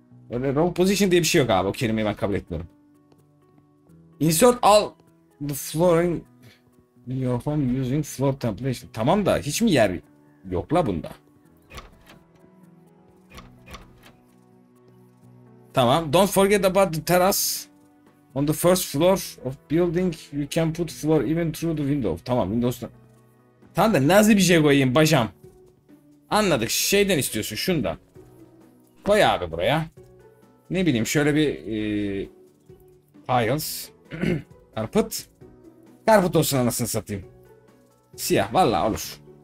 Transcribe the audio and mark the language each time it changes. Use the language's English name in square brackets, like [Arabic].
[Turkish] Öyle [English] wrong position [Turkish] diye bir şey yok abi. O kelimeyi ben kabul etmiyorum. [English] Insert all the flooring in your home using floor template. [Turkish] Tamam da hiç mi yer yok la bunda? Tamam. [English] Don't forget about the terrace. On the first floor of building you can put floor even through the window. [Turkish] Tamam, Windows'da. Tamam da nasıl bir şey koyayım bacam? Anladık. Şeyden istiyorsun, şundan. Koy abi buraya. Ne bileyim şöyle bir tiles. Carpet. Carpet olsun anasını satayım. Siyah valla olur.